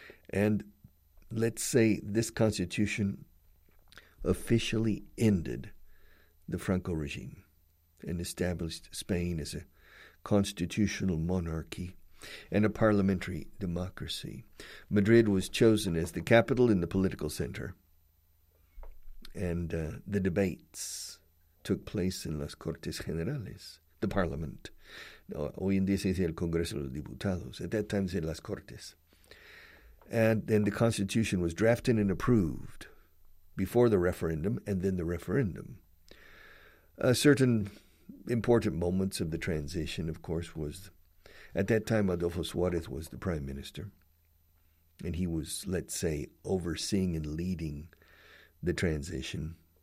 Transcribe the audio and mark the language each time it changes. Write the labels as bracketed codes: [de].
[en] And let's say this constitution officially ended the Franco regime and established Spain as a constitutional monarchy and a parliamentary democracy. Madrid was chosen as the capital and the political center. And the debates took place in Las Cortes Generales, the parliament. [es] No, hoy en día se dice el Congreso de los Diputados. [en] At that time, [es] se dice Las Cortes. [en] And then the constitution was drafted and approved before the referendum and then the referendum. A certain important moments of the transition, of course, was at that time, Adolfo Suárez was the prime minister, and he was, let's say, overseeing and leading the transition.